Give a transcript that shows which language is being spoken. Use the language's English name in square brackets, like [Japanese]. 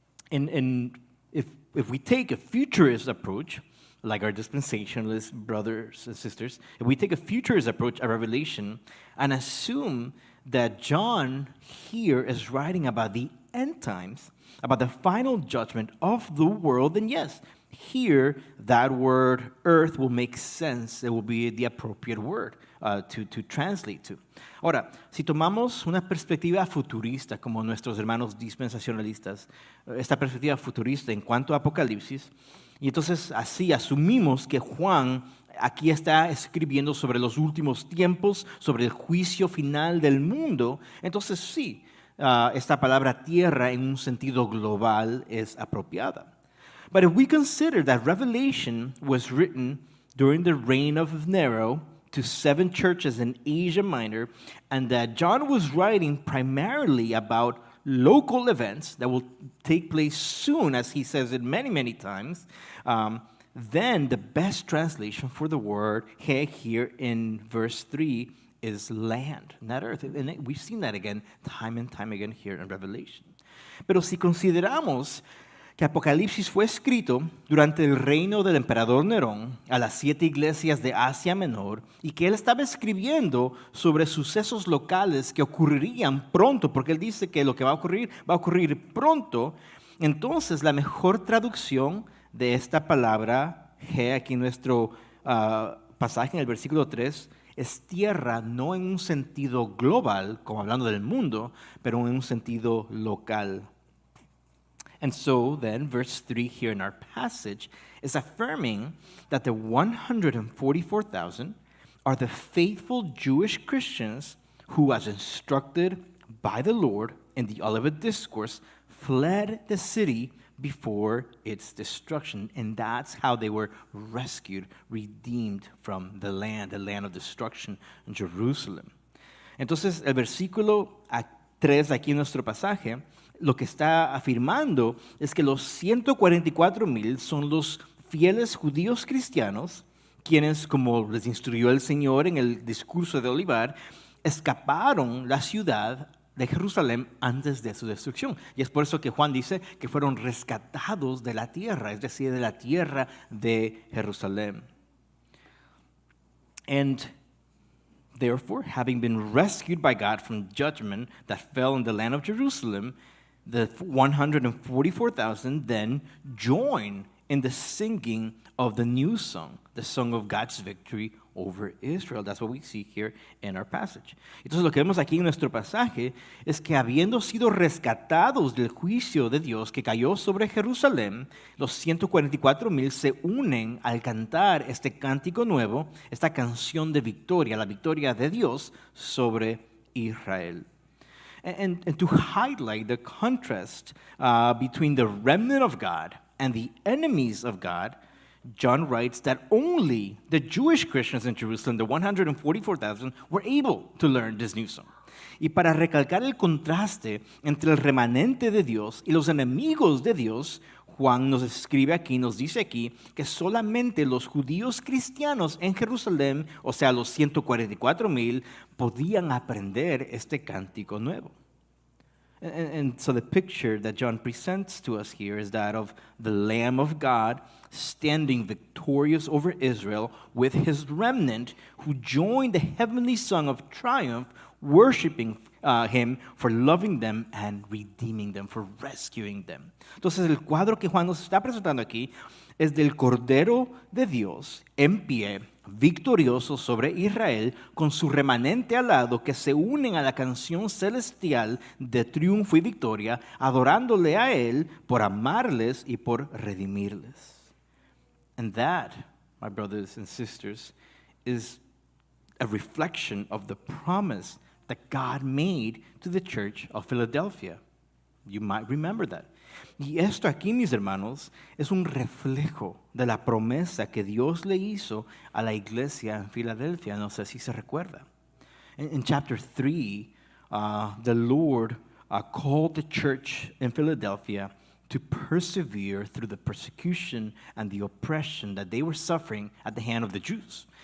[English] If we take a futurist approach, like our dispensationalist brothers and sisters, if we take a futurist approach at Revelation and assume that John here is writing about the end times, about the final judgment of the world, then yes, here that word earth will make sense. It will be the appropriate word to translate to. [Spanish] Ahora, si tomamos una perspectiva futurista como nuestros hermanos dispensacionalistas, esta perspectiva futurista en cuanto a Apocalipsis, y entonces así asumimos que Juan aquí está escribiendo sobre los últimos tiempos, sobre el juicio final del mundo, entonces sí, esta palabra tierra en un sentido global es apropiada. [English] But if we consider that Revelation was written during the reign of Nero to seven churches in Asia Minor, and that John was writing primarily about local events that will take place soon, as he says it many, many times, then the best translation for the word he here in verse 3 is land, not earth. And we've seen that again, time and time again here in Revelation. [Spanish] Pero si consideramos que Apocalipsis fue escrito durante el reino del emperador Nerón a las siete iglesias de Asia Menor y que él estaba escribiendo sobre sucesos locales que ocurrirían pronto, porque él dice que lo que va a ocurrir pronto, entonces la mejor traducción de esta palabra He aquí nuestro pasaje en el versículo 3, es tierra no en un sentido global, como hablando del mundo, pero en un sentido local. [English] And so then, verse 3 here in our passage is affirming that the 144,000 are the faithful Jewish Christians who, as instructed by the Lord in the Olivet Discourse, fled the city before its destruction. And that's how they were rescued, redeemed from the land of destruction, Jerusalem. [Spanish] Entonces, el versículo 3 aquí en nuestro pasaje, lo que está afirmando es que los 144,000 son los fieles judíos cristianos, quienes, como les instruyó el Señor en el discurso de Olivar, escaparon la ciudad de Jerusalén antes de su destrucción. Y es por eso que Juan dice que fueron rescatados de la tierra, es decir, de la tierra de Jerusalén. [English] And therefore, having been rescued by God from judgment that fell in the land of Jerusalem, the 144,000 then join in the singing of the new song, the song of God's victory over Israel. That's what we see here in our passage. [Spanish] Entonces, lo que vemos aquí en nuestro pasaje es que habiendo sido rescatados del juicio de Dios que cayó sobre Jerusalén, los 144,000 se unen al cantar este cántico nuevo, esta canción de victoria, la victoria de Dios sobre Israel. [English] And to highlight the contrast between the remnant of God and the enemies of God, John writes that only the Jewish Christians in Jerusalem, the 144,000, were able to learn this new song. [Spanish] Y para recalcar el contraste entre el remanente de Dios y los enemigos de Dios, Juan nos escribe aquí, nos dice aquí, que solamente los judíos cristianos en Jerusalén, o sea, los 144,000, podían aprender este cántico nuevo. [English] And so the picture that John presents to us here is that of the Lamb of God standing victorious over Israel with his remnant who joined the heavenly song of triumph, worshiping him for loving them and redeeming them, for rescuing them. [Spanish] Entonces, el cuadro que Juan nos está presentando aquí es del Cordero de Dios en pie, victorioso sobre Israel, con su remanente al lado que se unen a la canción celestial de triunfo y victoria, adorándole a él por amarles y por redimirles. [English] And that, my brothers and sisters, is a reflection of the promise that God made to the church of Philadelphia. You might remember that. [Spanish] Y esto aquí, mis hermanos, es un reflejo de la promesa que Dios le hizo a la iglesia en Filadelfia. No sé si se recuerda. [English] In chapter 3, the Lord called the church in Philadelphia to persevere through the persecution and the oppression that they were suffering at the hand of the Jews.